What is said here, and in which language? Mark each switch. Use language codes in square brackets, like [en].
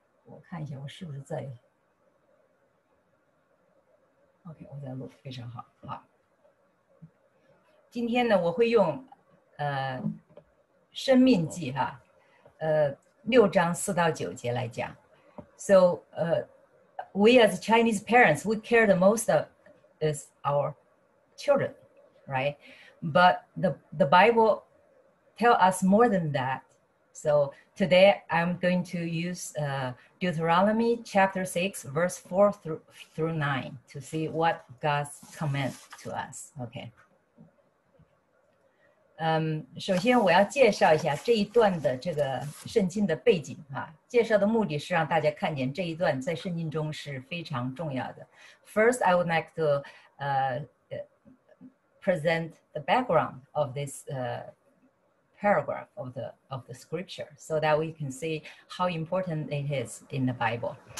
[zh] 我看一下，我是不是在？ OK，我在录，非常好。好，今天呢，我会用《生命记》哈，6章4到9节来讲。 [en] So, we as Chinese parents, we care the most of is our children, right? But the Bible tell us more than that. So today I'm going to use Deuteronomy chapter 6, verse 4 through 9 to see what God's command to us. Okay. [zh] 首先我要介绍一下这一段的这个圣经的背景啊，介绍的目的是让大家看见这一段在圣经中是非常重要的。 [en] First, I would like to present the background of this paragraph of the scripture so that we can see how important it is in the Bible.